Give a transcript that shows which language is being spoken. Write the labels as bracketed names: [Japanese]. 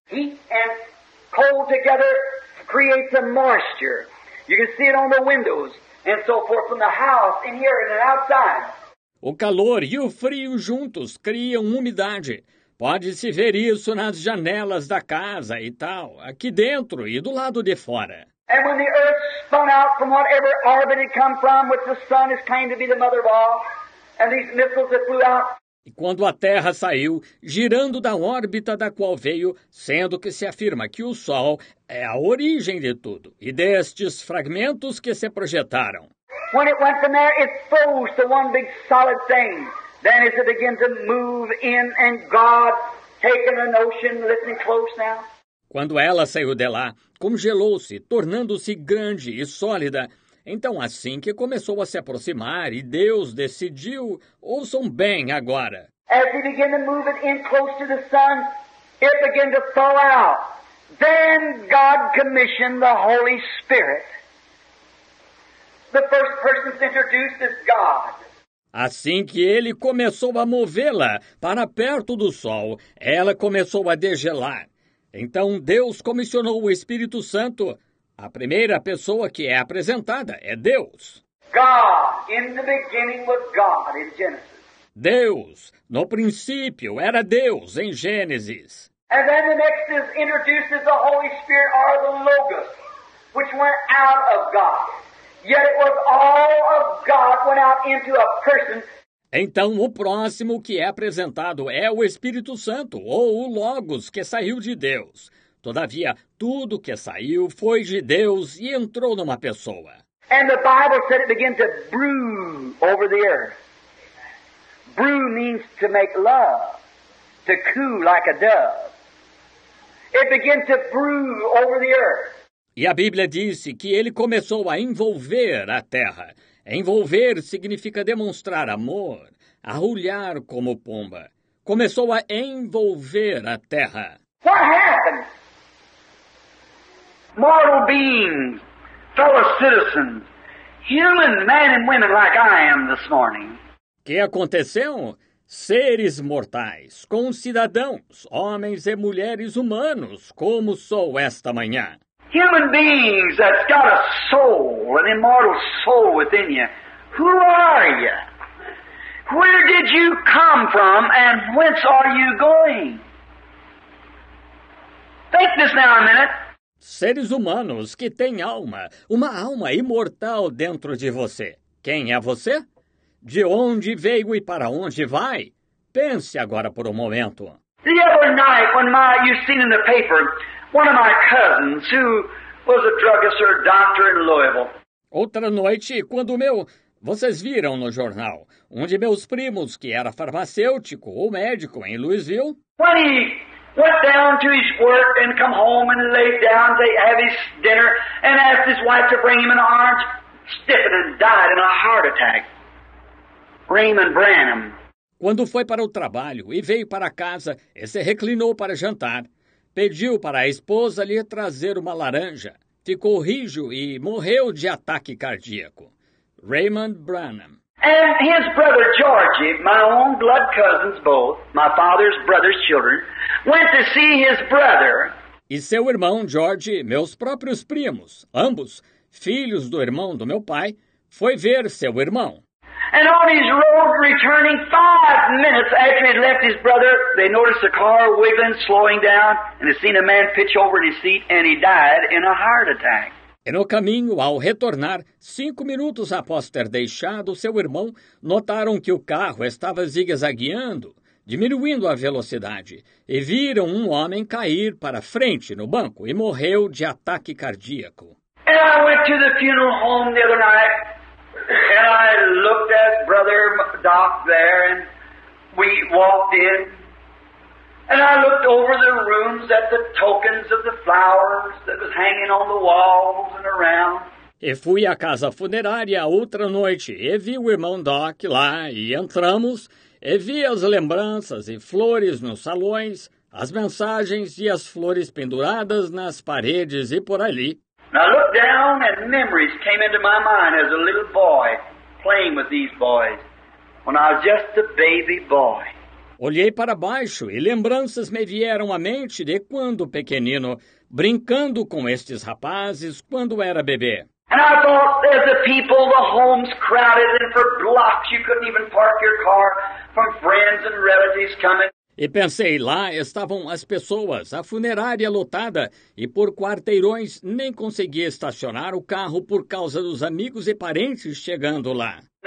[English] Heat and cold together creates a moisture. You can see it on the windows. And so forth from the house, in here and outside. [Portuguese] O calor e o frio juntos criam umidade. Pode-se ver isso nas janelas da casa e tal, aqui dentro e do lado de fora. [English] And when the earth spun out from whatever orbit it come from, which the sun is claimed to be the mother of all, and these missiles that flew out. [Portuguese] E quando a Terra saiu, girando da órbita da qual veio, sendo que se afirma que o Sol é a origem de tudo, e destes fragmentos que se projetaram. [English] When it went from there, it froze to one big solid thing. Then as it began to move in, and God taking a notion, listen close now. [Portuguese] Quando ela saiu de lá, congelou-se, tornando-se grande e sólida. Então, assim que começou a se aproximar e Deus decidiu, ouçam bem agora. [English] As he began to move it in close to the sun, it began to thaw out. Then God commissioned the Holy Spirit. The first person introduced is God. [Portuguese] Assim que ele começou a movê-la para perto do sol, ela começou a degelar. Então Deus comissionou o Espírito Santo. A primeira pessoa que é apresentada é Deus. [English] God, in the beginning was God in Genesis. [Portuguese] Deus, no princípio, era Deus em Gênesis. [English] And then the next is introduced as the Holy Spirit or the Logos, which went out of God. Yet it was all of God went out into a person. [Portuguese] Então, o próximo que é apresentado é o Espírito Santo, ou o Logos, que saiu de Deus. Todavia, tudo que saiu foi de Deus e entrou numa pessoa. [English] And the Bible said it began to brew over the earth. Brew means to make love, to coo like a dove. It began to brew over the earth. [Portuguese] E a Bíblia disse que ele começou a envolver a terra. Envolver significa demonstrar amor, arrulhar como pomba. Começou a envolver a terra. [English] What happened? Mortal beings, fellow citizens, human men and women like I am this morning. [Portuguese] Que aconteceu? Seres mortais, concidadãos, homens e mulheres humanos, como sou esta manhã. [English] Human beings that's got a soul, an immortal soul within you. Who are you? Where did you come from and whence are you going? Think this now a minute. [Portuguese] Seres humanos que têm alma, uma alma imortal dentro de você. Quem é você? De onde veio e para onde vai? Pense agora por um momento. [English] The other night when you've seen in the paper... One of my cousins, who was a druggist or a doctor in Louisville. [Portuguese] Outra noite, quando vocês viram no jornal, um de meus primos, que era farmacêutico ou médico em Louisville. [English] When he went down to his work and come home and laid down to have his dinner and asked his wife to bring him an orange, stiffened and died in a heart attack. Raymond Branham. [Portuguese] Quando foi para o trabalho e veio para casa e se reclinou para jantar, pediu para a esposa lhe trazer uma laranja. Ficou rijo e morreu de ataque cardíaco. Raymond Branham. [English] And his brother Georgie, my own blood cousins both, my father's brother's children, went to see his brother. [Portuguese] E seu irmão George, meus próprios primos, ambos filhos do irmão do meu pai, foi ver seu irmão. [English] And on his road returning 5 minutes after he left his brother, they noticed the car wiggling, slowing down, and they seen a man pitch over in his seat, and he died in a heart attack. [Portuguese] E no caminho, ao retornar, 5 minutos após ter deixado seu irmão, notaram que o carro estava zigue-zagueando, diminuindo a velocidade, e viram um homem cair para frente no banco e morreu de ataque cardíaco. [English] And I went to the funeral home the other night. And I looked at Brother Doc there, and we walked in. And I looked over the rooms at the tokens of the flowers that was hanging on the walls and around. [Portuguese] E fui à casa funerária outra noite, e vi o irmão Doc lá, e entramos, e vi as lembranças e flores nos salões, as mensagens e as flores penduradas nas paredes e por ali. [English] I looked down and memories came into my mind as a little boy playing with these boys when I was just a baby boy. [Portuguese] Olhei para baixo e lembranças me vieram à mente de quando pequenino, brincando com estes rapazes quando era bebê. [English] And I thought, as the people, the homes crowded, and for blocks you couldn't even park your car from friends and relatives coming. [Portuguese] E pensei, lá estavam as pessoas, a funerária lotada, e por quarteirões nem consegui estacionar o carro por causa dos amigos e parentes chegando lá.